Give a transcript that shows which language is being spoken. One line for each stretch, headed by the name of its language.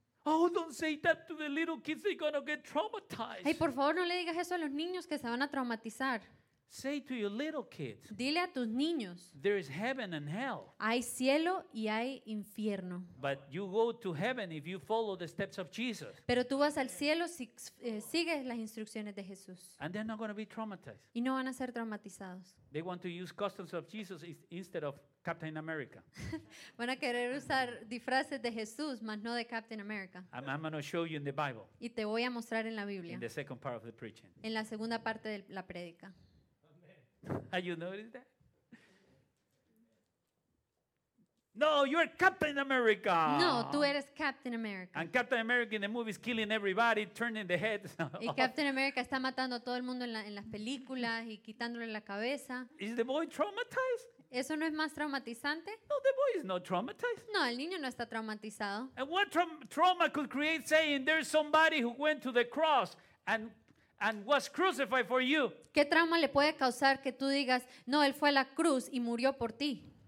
English: Oh, don't say that to the little kids, they're gonna get traumatized.
Spanish: Hey, por favor, no le digas eso a los niños que se van a traumatizar.
English: Say to your little kids.
Spanish: Dile a tus niños.
English: There is heaven and hell.
Spanish: Hay cielo y hay infierno.
English: But you go to heaven if you follow the steps of Jesus.
Spanish: Pero tú vas al cielo si sigues las instrucciones de Jesús.
English: And they're not going to be traumatized.
Spanish: Y no van a ser traumatizados.
English: They want to use costumes of Jesus instead of Captain America.
Spanish: Van a querer usar disfraces de Jesús, más no de Captain America.
English: I'm going to show you in the Bible.
Spanish: Y te voy a mostrar en la Biblia.
English: In the second part of the preaching.
Spanish: En la segunda parte de la prédica.
English: Have you noticed that? No, you're Captain America.
Spanish: No, tú eres Captain America.
English: And Captain America in the movies killing everybody, turning the heads.
Spanish: Y Captain America está matando a todo el mundo en las películas y quitándole la cabeza.
English: Is the boy traumatized?
Spanish: ¿Eso no es más traumatizante?
English: No, the boy is not traumatized.
Spanish: No, el niño no está traumatizado.
English: And what trauma could create saying there's somebody who went to the cross and was crucified for you.
Spanish: ¿Qué trauma le puede causar que tú digas, no, él fue a la cruz y murió por ti?